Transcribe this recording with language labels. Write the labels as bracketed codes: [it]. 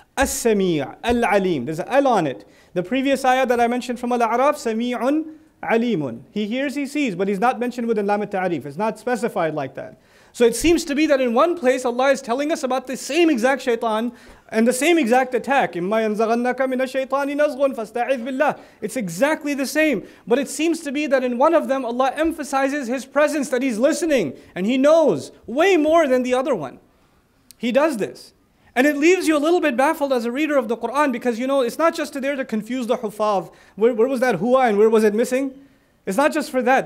[ar] السَّمِيعُ الْعَلِيمُ [en] There's an al on it. The previous ayah that I mentioned from Al-A'raf, [ar] سَمِيعٌ عَلِيمٌ [en] He hears, he sees, but he's not mentioned with Lam al-Ta'rif. It's not specified like that. So it seems to be that in one place, Allah is telling us about the same exact shaitan and the same exact attack. [ar] إِمَّا يَنْزَغَنَّكَ مِنَ الشَّيْطَانِ نَزْغٌ فَاسْتَعِذْ بِاللَّهِ [en] It's exactly the same. But it seems to be that in one of them, Allah emphasizes His presence, that He's listening, and He knows way more than the other one. He does this. And it leaves you a little bit baffled as a reader of the Qur'an because, you know, it's not just there to confuse the Hufav. Where was that huwa and where was it missing? It's not just for that.